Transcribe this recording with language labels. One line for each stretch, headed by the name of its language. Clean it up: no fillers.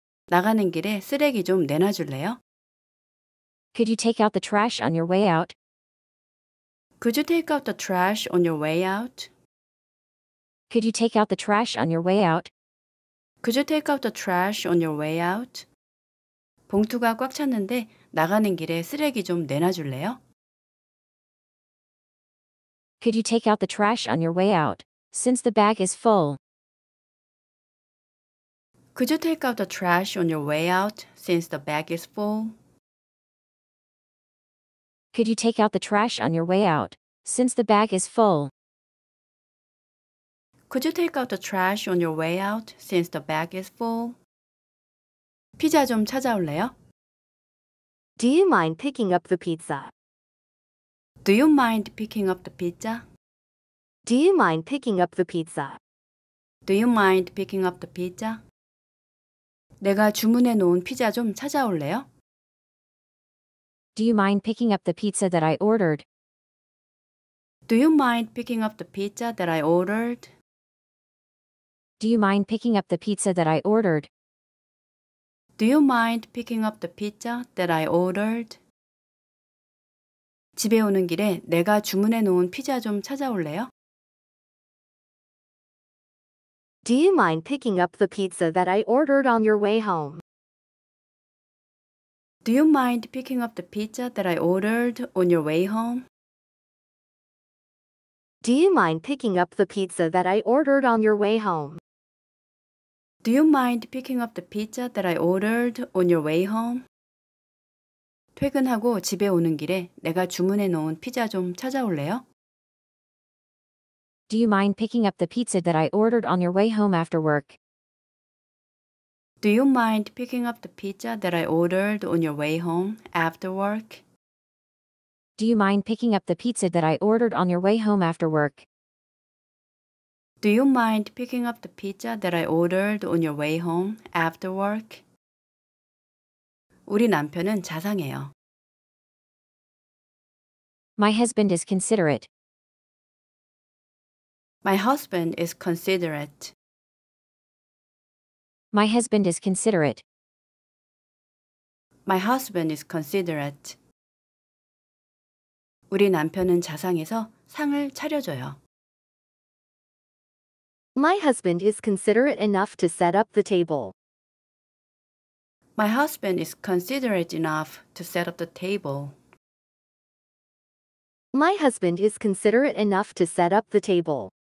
Korean: 나가는 길에 쓰레기 좀 내놔줄래요?
English: Could you take out the trash on your way out? Could you take out the trash on your way out? Could you take out the trash on your way out? Could you take out the trash on your way out?
Korean: 봉투가 꽉 찼는데 나가는 길에 쓰레기 좀 내놔 줄래요?
English: Could you take out the trash on your way out, since the bag is full? Could you take out the trash on your way out, since the bag is full? Could you take out the trash on your way out, since the bag is full? Could you take out the trash on your way out, since the bag is full?
Korean: 피자 좀 찾아올래요?
English: Do you mind picking up the pizza? Do you mind picking up the pizza? Do you mind picking up the pizza? Do you mind picking up the pizza?
Korean: 내가 주문해 놓은 피자 좀 찾아올래요?
English: Do you mind picking up the pizza that I ordered? Do you mind picking up the pizza that I ordered? Do you mind picking up the pizza that I ordered? Do you mind picking up the pizza that I ordered?
Korean: 집에 오는 길에 내가 주문해 놓은 피자 좀 찾아올래요?
English: Do you mind picking up the pizza that I ordered on your way home? Do you mind picking up the pizza that I ordered on your way home? Do you mind picking up the pizza that I ordered on your way home? Do you mind picking up the pizza that I ordered on your way home?
Korean: 퇴근하고 집에 오는 길에 내가 주문해 놓은 피자 좀 찾아올래요?
English: Do you mind picking up the pizza that I ordered on your way home after work? Do you mind picking up the pizza that I ordered on your way home after work? Do you mind picking up the pizza that I ordered on your way home after work? Do you mind picking up the pizza that I ordered on your way home after work?
Korean: 우리 남편은 자상해요.
English: My husband is considerate. My husband is considerate. My husband is considerate. My husband is considerate.
Korean: 우리 남편은 자상해서 상을 차려줘요.
English: My husband is considerate enough to set up the table. My husband is considerate enough to set up the table. My husband is considerate enough to set up the table.